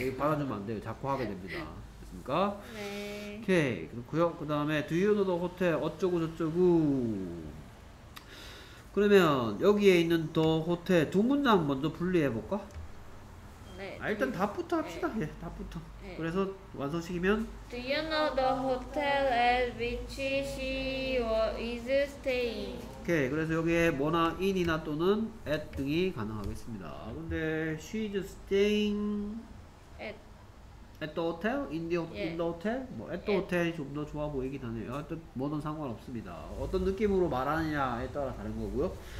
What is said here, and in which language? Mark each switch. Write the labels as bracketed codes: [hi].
[ko] 받아주면 안 돼요. 자꾸 하게 됩니다. 됐습니까? 네. 오케이. 그렇고요. 그 다음에, [en] Do you know the hotel? [ko] 어쩌구저쩌구. 그러면, 여기에 있는 더 호텔 두 문장 먼저 분리해볼까? 네. 아, 일단 답부터 합시다. 네. 예, 답부터. 네. 그래서 완성식이면? [en] Do you know the hotel at which she is staying? [ko] 오케이. 그래서 여기에 뭐나 in이나 또는 at 등이 가능하겠습니다. [en] 근데, she is staying at the hotel? In the, yeah. in the hotel? 뭐, at the at. hotel이 [ko] 좀 더 좋아 보이긴 하네요. 하여튼, 뭐든 상관없습니다. 어떤 느낌으로 말하느냐에 따라 다른 거고요.